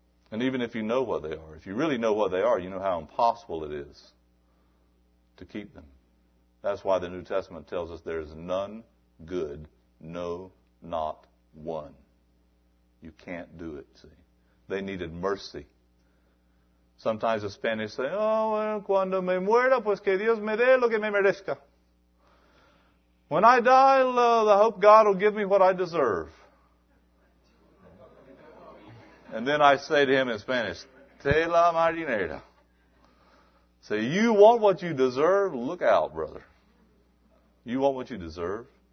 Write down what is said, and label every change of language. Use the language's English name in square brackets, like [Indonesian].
[English] And even if you know what they are, if you really know what they are, you know how impossible it is to keep them. That's why the New Testament tells us there is none good, no, not one. You can't do it, see? They needed mercy. Sometimes the Spanish say, oh, [Spanish] cuando me muera, pues que Dios me dé lo que me merezca. [English] When I die, I hope God will give me what I deserve. And then I say to him in Spanish, [Spanish] Te la marinera. [English] Say, you want what you deserve? Look out, brother. You want what you deserve?